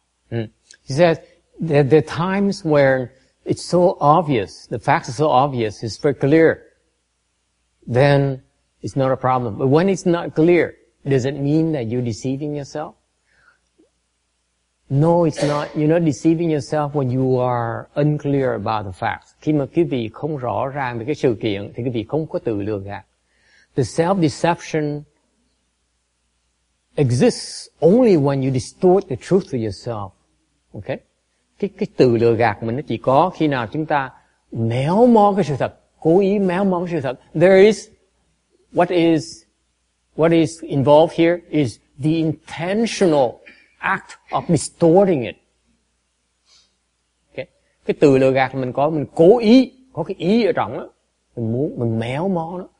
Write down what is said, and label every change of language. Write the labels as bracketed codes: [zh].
[en] He says that there are times where it's so obvious, the facts are so obvious, it's very clear. Then it's not a problem. But when it's not clear, does it mean that you're deceiving yourself? No, it's not. You're not deceiving yourself when you are unclear about the facts. [vi] Khi mà quý vị không rõ ràng về cái sự kiện, thì quý vị không có tự lừa gạt. [en] The self-deception exists only when you distort the truth to yourself. Okay? [vi] Cái tự lừa gạt mình nó chỉ có khi nào chúng ta méo mó cái sự thật, cố ý méo mó cái sự thật. [en] There is what is involved here is the intentional act of distorting it. Okay. [vi] Cái từ lừa gạt mình có, mình cố ý có cái ý ở trong đó, mình muốn mình méo mó nó.